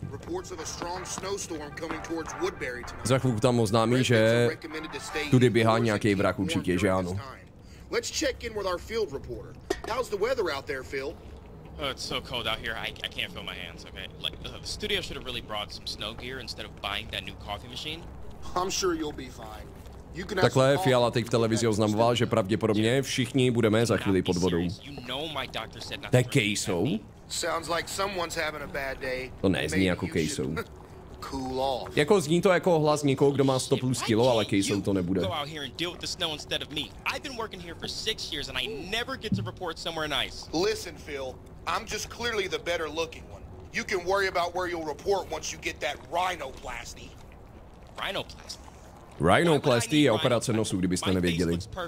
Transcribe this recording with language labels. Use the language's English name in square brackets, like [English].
[English] Reports of a strong snowstorm coming towards Woodbury tonight. [Czech] Za chvilku tam oznámí, že tudy běhá nějaký vrah, určitě, že ano. [English] Let's check in with our field reporter. How's the weather out there, Phil? Oh, it's so cold out here. I can't feel my hands, okay? Like the studio should have really brought some snow gear instead of buying that new coffee machine. I'm sure you'll be fine. [Czech] You can Takhle Fiala teď v televizi oznamoval, že pravděpodobně všichni budeme za chvíli pod vodou. [English] You know my doctor said not to. Sounds like someone's having a bad day. [Czech] To nezní jako Kejsou. Cool off. Jako zní to jako hlas někoho, kdo má 100 plus kilo, ale Kejsou to nebude. [English] Go out here and deal with the snow instead of me. I've been working here for 6 years and I never get to report somewhere nice. Listen, Phil, I'm just clearly the better looking one. You can worry about where you'll report once you get that rhinoplasty. Rhinoplasty. [Czech] Rhinoplasty je operace nosu, kdybyste nevěděli.